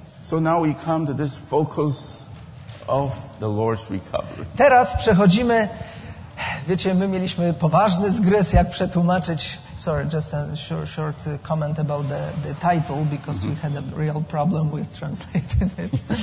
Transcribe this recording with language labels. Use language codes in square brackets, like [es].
[en] So now we come to this focus of the Lord's recovery. [pl] Teraz przechodzimy, wiecie, my mieliśmy poważny zgryz, jak przetłumaczyć. [en] Sorry, just a short comment about the title, because we had a real problem with translating it.